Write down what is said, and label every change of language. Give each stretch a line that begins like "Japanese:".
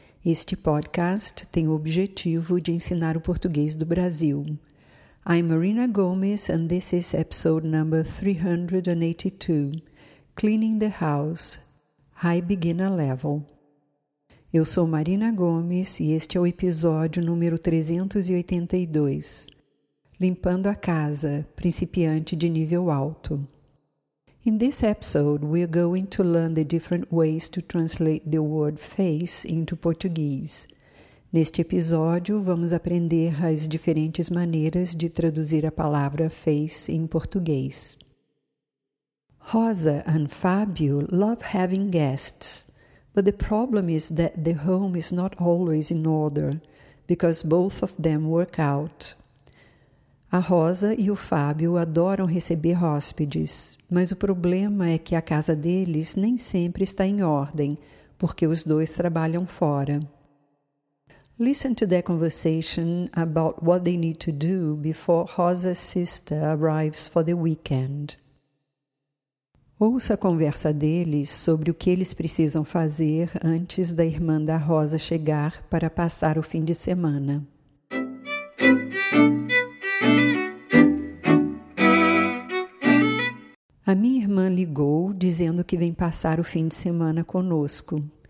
Portuguese: Este podcast tem o objetivo de ensinar o português do Brasil.
English: I'm Marina Gomes and this is episode number 382, Cleaning the House, High Beginner Level.
Portuguese: Eu sou Marina Gomes e este é o episódio número 382. Limpando a casa, principiante de nível alto.
English: In this episode, we're going to learn the different ways to translate the word face into Portuguese.
Portuguese: Neste episódio, vamos aprender as diferentes maneiras de traduzir a palavra face em português.
English: Rosa and Fabio love having guests, but the problem is that the home is not always in order, because both of them work out.
Portuguese: A Rosa e o Fábio adoram receber hóspedes, mas o problema é que a casa deles nem sempre está em ordem, porque os dois trabalham fora.
English: Listen to their conversation about what they need to do before Rosa's sister arrives for the weekend.
Portuguese: Ouça a conversa deles sobre o que eles precisam fazer antes da irmã da Rosa chegar para passar o fim de semana. A minha irmã ligou dizendo que vem passar o fim de semana conosco.